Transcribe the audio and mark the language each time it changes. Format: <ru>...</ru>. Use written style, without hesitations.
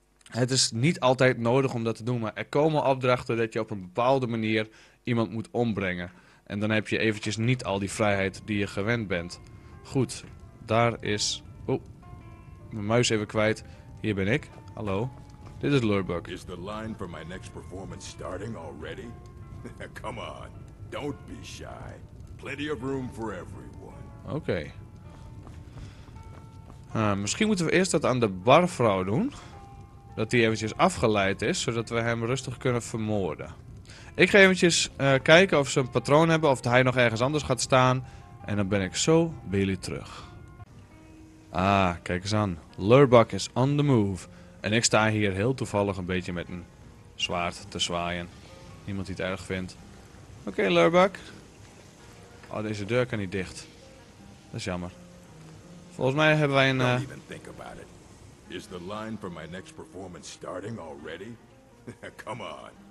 <nl>Het is niet altijd nodig om dat te doen, maar er komen opdrachten dat je op een bepaalde manier iemand moet ombrengen. En dan heb je eventjes niet al die vrijheid die je gewend bent. Goed, daar is... Oeh, mijn muis even kwijt. Hier ben ik. Hallo. Dit is Lurbuck.</nl> <en>Is the line for my next performance starting already? Come on, don't be shy. Plenty of room for everyone.</en> <nl>Oké. Misschien moeten we eerst dat aan de barvrouw doen. Dat hij eventjes afgeleid is, zodat we hem rustig kunnen vermoorden. Ik ga eventjes kijken of ze een patroon hebben, of hij nog ergens anders gaat staan. En dan ben ik zo bij jullie terug. Ah, kijk eens aan. Lurbuck</nl> <en>is on the move.</en> <nl>En ik sta hier heel toevallig een beetje met een zwaard te zwaaien. Niemand die het erg vindt. Oké, Lurbuck. Oh, deze deur kan niet dicht. Dat is jammer. Volgens mij hebben wij een...</nl> <en>Is the line for my next performance starting already? Come on,</en>